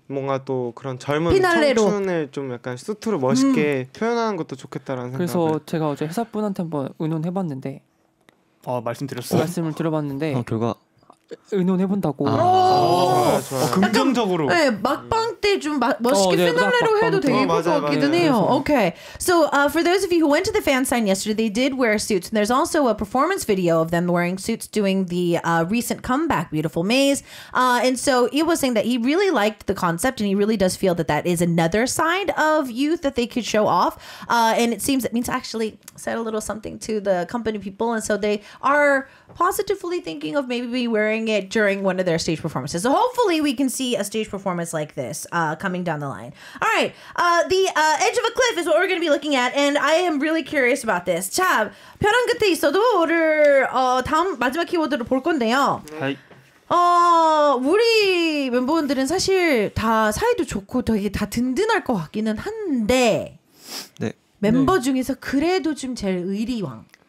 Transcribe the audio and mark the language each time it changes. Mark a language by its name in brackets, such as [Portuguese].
[Korean] 뭔가 또 그런 젊은 피날레로. 청춘을 좀 약간 수트로 멋있게 표현하는 것도 좋겠다라는 생각. 그래서 제가 어제 회사 분한테 한번 의논해봤는데. 아, 말씀드렸어요. 말씀을 들어봤는데. 아, 결과. 의논해본다고. 아~ 좋아요. 긍정적으로. 네, 막방 때 좀 멋있게 피날레로 해도 되게 예쁠 것 같기는 해요. [English] Okay, so for those of you who went to the fan sign yesterday, they did wear suits. And there's also a performance video of them wearing suits doing the recent comeback, Beautiful Maze. And so he was saying that he really liked the concept, and he really does feel that that is another side of youth that they could show off. And it seems that means actually said a little something to the company people, and so they are positively thinking of maybe wearing it during one of their stage performances. So hopefully we can see a stage performance like this coming down the line. All right, the edge of a cliff is what we're going to be looking at, and I am really curious about this. [Korean] 자, 벼랑 끝에 있어도 오늘 다음 마지막 키워드를 볼 건데요. 네. 우리 멤버분들은 사실 다 사이도 좋고 되게 다 든든할 것 같기는 한데 네. 멤버 네. 중에서 그래도 좀 제일 의리왕.